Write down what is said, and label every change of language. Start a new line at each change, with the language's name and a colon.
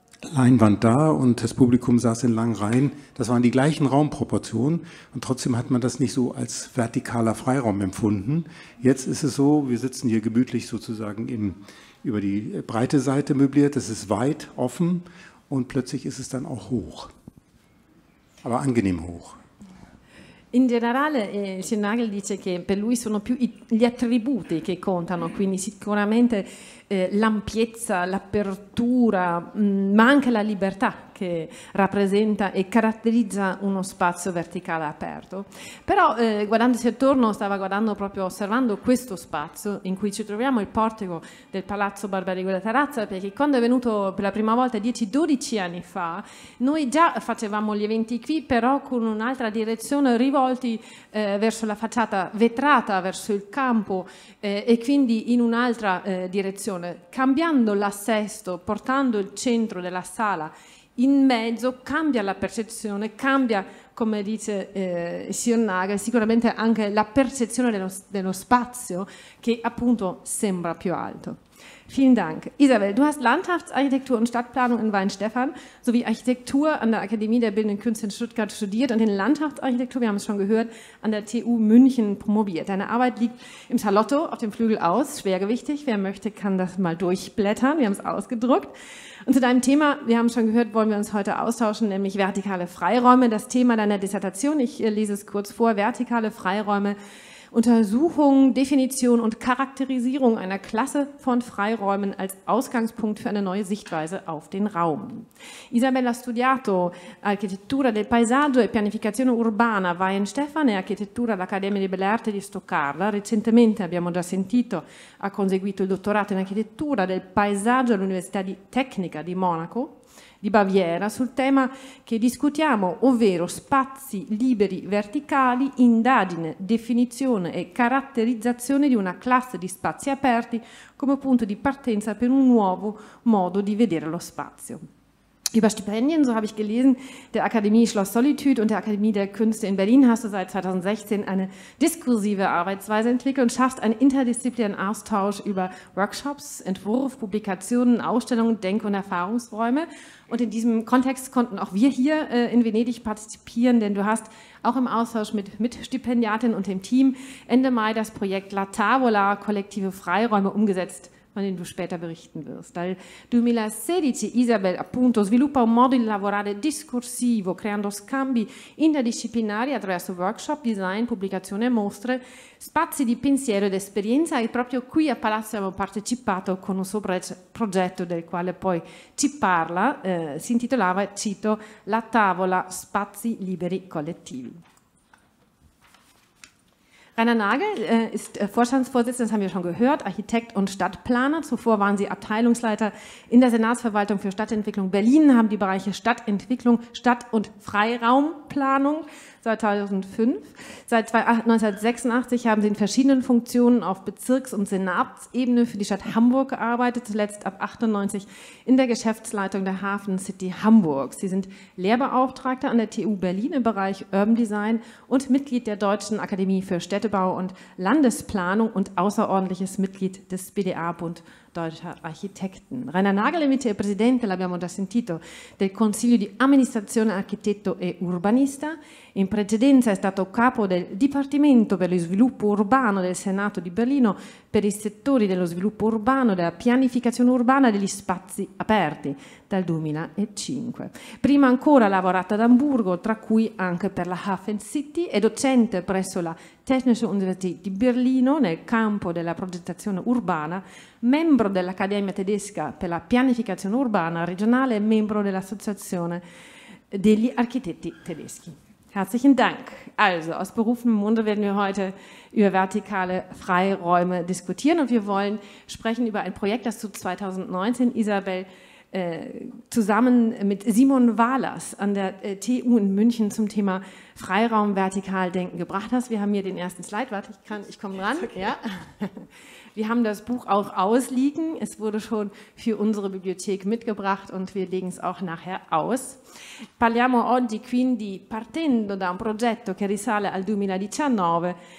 German: Leinwand da und das Publikum saß in langen Reihen. Das waren die gleichen Raumproportionen und trotzdem hat man das nicht so als vertikaler Freiraum empfunden. Jetzt ist es so, wir sitzen hier gemütlich sozusagen über die breite Seite möbliert. Es ist weit offen und plötzlich ist es dann auch hoch, aber angenehm hoch.
Italian: In generale, Schnagel dice che per lui sono più gli attributi che contano, quindi sicuramente l'ampiezza, l'apertura, ma anche la libertà che rappresenta e caratterizza uno spazio verticale aperto. Però guardandosi attorno, stava guardando proprio osservando questo spazio in cui ci troviamo, il portico del Palazzo Barberi della Terrazza, perché quando è venuto per la prima volta 10-12 anni fa, noi già facevamo gli eventi qui, però con un'altra direzione, rivolti verso la facciata vetrata, verso il campo e quindi in un'altra direzione. Cambiando l'assesto, portando il centro della sala in mezzo, cambia la percezione, cambia, come dice Sionaga, sicuramente anche la percezione dello spazio, che appunto sembra più alto.
German: Vielen Dank. Isabel, du hast Landschaftsarchitektur und Stadtplanung in Weinstephan sowie Architektur an der Akademie der Bildenden Künste in Stuttgart studiert und in Landschaftsarchitektur, wir haben es schon gehört, an der TU München promoviert. Deine Arbeit liegt im Salotto auf dem Flügel aus, schwergewichtig. Wer möchte, kann das mal durchblättern. Wir haben es ausgedruckt. Und zu deinem Thema, wir haben es schon gehört, wollen wir uns heute austauschen, nämlich vertikale Freiräume, das Thema deiner Dissertation. Ich lese es kurz vor, vertikale Freiräume. Untersuchung, Definition und Charakterisierung einer Klasse von Freiräumen als Ausgangspunkt für eine neue Sichtweise auf den Raum.
Italian: Isabella ha studiato Architettura del Paesaggio e Pianificazione Urbana a Weihenstephan e Architettura all'Accademia di Belle Arti di Stoccarda. Recentemente, abbiamo già sentito, ha conseguito il dottorato in Architettura del Paesaggio all'Università di Tecnica di Monaco, di Baviera, sul tema che discutiamo, ovvero spazi liberi verticali, indagine, definizione e caratterizzazione di una classe di spazi aperti come punto di partenza per un nuovo modo di vedere lo spazio.
German: Über Stipendien, so habe ich gelesen, der Akademie Schloss Solitude und der Akademie der Künste in Berlin hast du seit 2016 eine diskursive Arbeitsweise entwickelt und schaffst einen interdisziplinären Austausch über Workshops, Entwurf, Publikationen, Ausstellungen, Denk- und Erfahrungsräume. Und in diesem Kontext konnten auch wir hier in Venedig partizipieren, denn du hast auch im Austausch mit Mitstipendiatinnen und dem Team Ende Mai das Projekt La Tavola, kollektive Freiräume, umgesetzt, von dem du später berichten wirst.
Italian: Dal 2016, Isabel, appunto, sviluppa un modo di lavorare discorsivo, creando scambi interdisciplinari attraverso workshop, design, pubblicazione e mostre, spazi di pensiero ed esperienza, e proprio qui a Palazzo abbiamo partecipato con un suo progetto del quale poi ci parla, si intitolava, cito, La Tavola, spazi liberi collettivi.
German: Rainer Nagel ist Vorstandsvorsitzender, das haben wir schon gehört, Architekt und Stadtplaner. Zuvor waren Sie Abteilungsleiter in der Senatsverwaltung für Stadtentwicklung Berlin, haben die Bereiche Stadtentwicklung, Stadt- und Freiraumplanung seit 2005. Seit 1986 haben Sie in verschiedenen Funktionen auf Bezirks- und Senatsebene für die Stadt Hamburg gearbeitet, zuletzt ab 1998 in der Geschäftsleitung der Hafen City Hamburg. Sie sind Lehrbeauftragter an der TU Berlin im Bereich Urban Design und Mitglied der Deutschen Akademie für Städtebau und Landesplanung und außerordentliches Mitglied des BDA-Bund Deutscher Architekten.
Italian: Rainer Nagel, il presidente, l'abbiamo già sentito, del Consiglio di Amministrazione Architetto e Urbanista. In precedenza è stato capo del Dipartimento per lo Sviluppo Urbano del Senato di Berlino per i settori dello sviluppo urbano, della pianificazione urbana degli spazi aperti dal 2005. Prima ancora ha lavorato ad Amburgo, tra cui anche per la Hafen City, è docente presso la Technische Universität di Berlino nel campo della progettazione urbana, membro dell'Accademia tedesca per la pianificazione urbana regionale e membro dell'Associazione degli Architetti Tedeschi.
German: Herzlichen Dank. Also, aus berufenem Munde werden wir heute über vertikale Freiräume diskutieren und wir wollen sprechen über ein Projekt, das du 2019, Isabel, zusammen mit Simon Wahlers an der TU in München zum Thema Freiraum vertikal denken gebracht hast. Wir haben hier den ersten Slide. Warte, ich komme ran. Okay. Ja. Wir haben das Buch auch ausliegen. Es wurde schon für unsere Bibliothek mitgebracht und wir legen es auch nachher aus.
Italian: Parliamo oggi quindi partendo da un progetto che risale al 2019.